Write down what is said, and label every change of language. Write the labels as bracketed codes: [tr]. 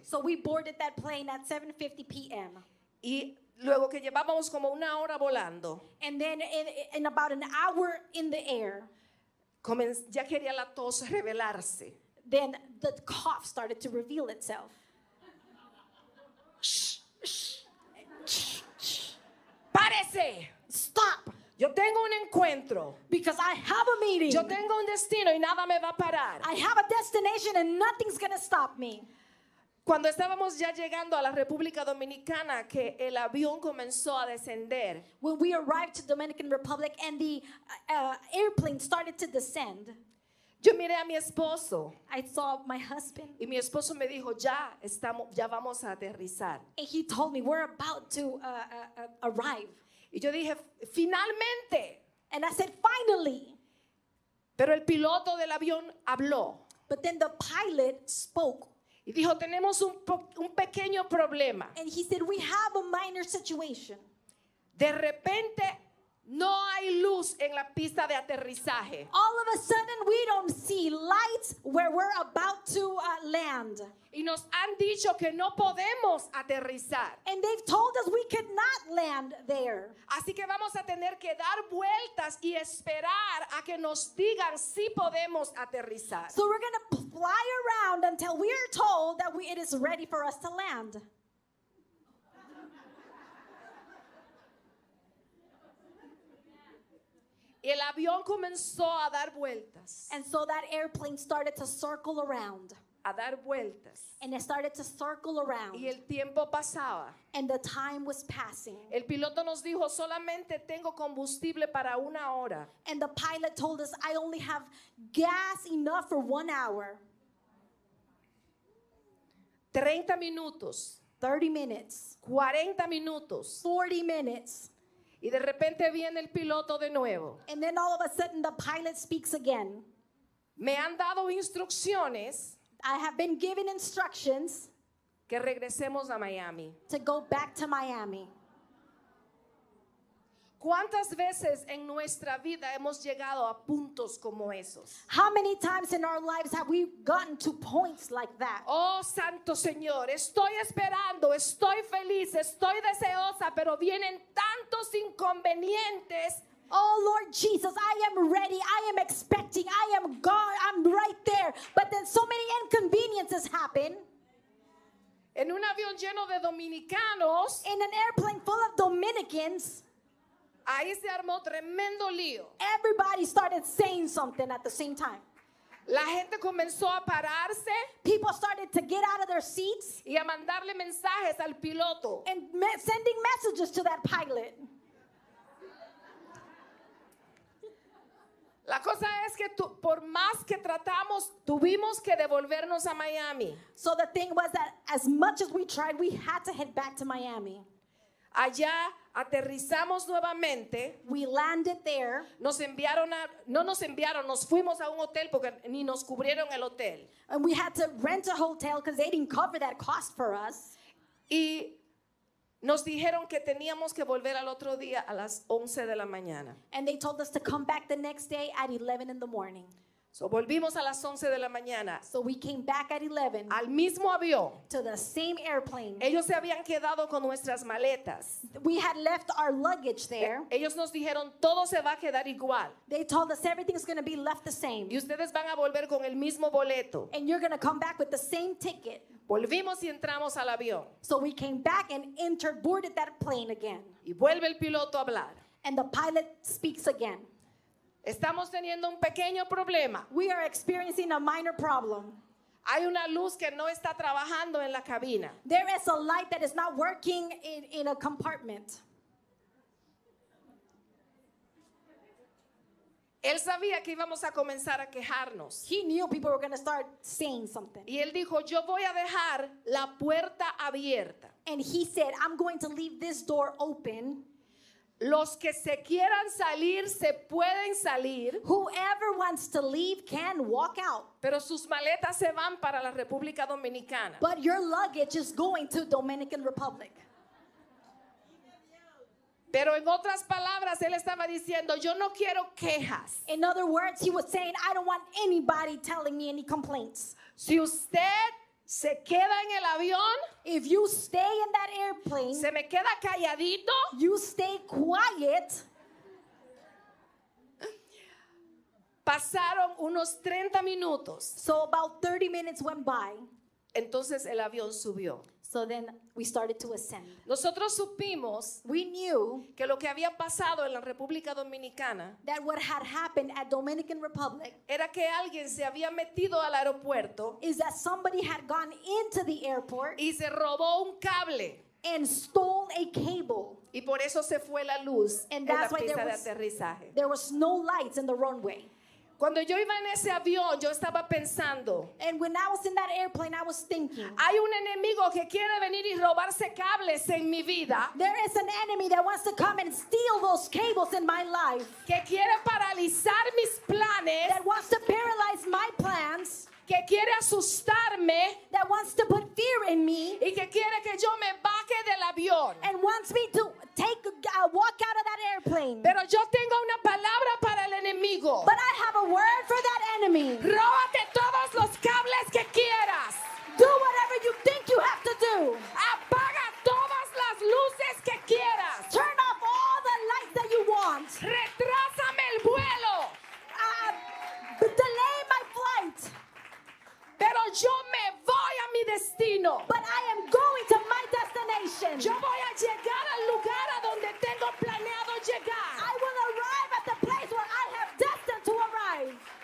[en] So we boarded that plane at 7:50 p.m. [es] Y luego que llevábamos como una hora volando. [en] And then in about an hour in the air. [es] Ya quería la tos revelarse. [en] Then the cough started to reveal itself. Shh, shh, shh, shh. [es] ¡Párese! [en] Stop! [es] Yo tengo un encuentro. [en] Because I have a meeting. [es] Yo tengo un destino y nada me va a parar. [en] I have a destination and nothing's going to stop me. [es] Cuando estábamos ya llegando a la República Dominicana, que el avión comenzó a descender. [en] When we arrived to Dominican Republic and the airplane started to descend. [es] Yo miré a mi esposo. [en] I saw my husband. [es] Y mi esposo me dijo, ya estamos, ya vamos a aterrizar. [en] And he told me, we're about to arrive. [es] Y yo dije, finalmente. [en] And I said, finally. [es] Pero el piloto del avión habló. [en] But then the pilot spoke. [es] Y dijo, tenemos un pequeño problema. [en] And he said, we have a minor situation. [es] De repente, no hay luz en la pista de aterrizaje. [en] All of a sudden, we don't see lights where we're about to land. [es] Y nos han dicho que no podemos aterrizar. [en] And they've told us we cannot land there. [es] Así que vamos a tener que dar vueltas y esperar a que nos digan si podemos aterrizar. [en] So we're going to fly around until we are told that it is ready for us to land. [es] Y el avión comenzó a dar vueltas. [en] And so that airplane started to circle around. [es] A dar vueltas. [en] And it started to circle around. [es] Y el tiempo pasaba. [en] And the time was passing. [es] El piloto nos dijo, solamente tengo combustible para una hora. [en] And the pilot told us, I only have gas enough for 1 hour. [es] 30 minutos. [en] 30 minutes. [es] 40 minutos. [en] 40 minutes. [es] Y de repente viene el piloto de nuevo. [en] And then all of a sudden the pilot speaks again. [es] Me han dado instrucciones. [en] I have been given instructions. [es] Que regresemos a Miami. [en] To go back to Miami. [es] ¿Cuántas veces en nuestra vida hemos llegado a puntos como esos? [en] How many times in our lives have we gotten to points like that? [es] Oh, Santo Señor, estoy esperando, estoy feliz, estoy deseosa, pero vienen tantos inconvenientes. [en] Oh, Lord Jesus, I am ready, I am expecting, I am God, I'm right there. But then so many inconveniences happen. [es] En un avión lleno de dominicanos. [en] In an airplane full of Dominicans. [es] Ahí se armó tremendo lío. [en] Everybody started saying something at the same time. [es] La gente comenzó a pararse. [en] People started to get out of their seats. [es] Y a mandarle mensajes al piloto. [en] And sending messages to that pilot. [es] La cosa es que por más que tratamos, tuvimos que devolvernos a Miami. [en] So the thing was that as much as we tried, we had to head back to Miami. [es] Allá aterrizamos nuevamente. [en] We landed there. [es] Nos fuimos a un hotel porque ni nos cubrieron el hotel. [en] And we had to rent a hotel because they didn't cover that cost for us. [es] Y nos dijeron que teníamos que volver al otro día a las 11 de la mañana. [en] And they told us to come back the next day at 11 in the morning. [es] So volvimos a las 11 de la mañana. [en] So we came back at 11. [es] Al mismo avión. [en] To the same airplane. [es] Ellos se habían quedado con nuestras maletas. [en] We had left our luggage there. [es] Ellos nos dijeron todo se va a quedar igual. [en] They told us everything's going to be left the same. [es] Y ustedes van a volver con el mismo boleto. [en] And you're going to come back with the same ticket. [es] Volvimos y entramos al avión. [en] So we came back and entered, boarded that plane again. [es] Y vuelve el piloto a hablar. [en] And the pilot speaks again. [es] Estamos teniendo un pequeño problema. [en] We are experiencing a minor problem. [es] Hay una luz que no está trabajando en la cabina. [en] There is a light that is not working in a compartment. [es] Él sabía que íbamos a comenzar a quejarnos. [en] He knew people were going to start saying something. [es] Y él dijo, yo voy a dejar la puerta abierta. [en] And he said, I'm going to leave this door open. [es] Los que se quieran salir se pueden salir. [en] Whoever wants to leave can walk out. [es] Pero sus maletas se van para la República Dominicana. [en] But your luggage is going to Dominican Republic. [es] Pero en otras palabras, él estaba diciendo, yo no quiero quejas. [en] In other words, he was saying, I don't want anybody telling me any complaints. [es] Si usted se queda en el avión. [en] If you stay in that airplane. [es] Se me queda calladito. [en] You stay quiet. [es] Pasaron unos 30 minutos. [en] So about 30 minutes went by. [es] Entonces el avión subió. [en] So then we started to ascend. [es] Nosotros supimos. [en] We knew. [es] Que lo que había pasado en la República Dominicana. [en] That what had happened at Dominican Republic. [es] Era que alguien se había metido al aeropuerto. [en] Is that somebody had gone into the airport. [es] Y se robó un cable. [en] And stole a cable. [es] Y por eso se fue la luz. [en] And that's why there was, [es] aterrizaje. [en] There was no lights in the runway. [es] Cuando yo iba en ese avión, yo estaba pensando. [en] And when I was in that airplane, I was thinking. [es] Hay un enemigo que quiere venir y robarse cables en mi vida. [en] There is an enemy that wants to come and steal those cables in my life. [es] Que quiere paralizar mis planes. [en] That wants to paralyze my plans. [es] Que quiere asustarme. [en] That wants to put fear in me. [es] Y que quiere que yo me baje del avión. [en] And wants me to walk out of that airplane. [es] Pero yo tengo una palabra para el enemigo. [en] But I have a word for that enemy. [es] Róbate todos los cables que quieras. [en] Do whatever you think you have to do. [es] Apaga todas las luces que quieras. [en] Turn off all the lights that you want. [es] Retrásame el vuelo. [en] Delay my flight. [es] Pero yo me voy a mi destino. [en] But I am going to my destination. [es] Yo voy a llegar al lugar a donde tengo planeado llegar. [en] I will arrive at the place where I have destined to arrive.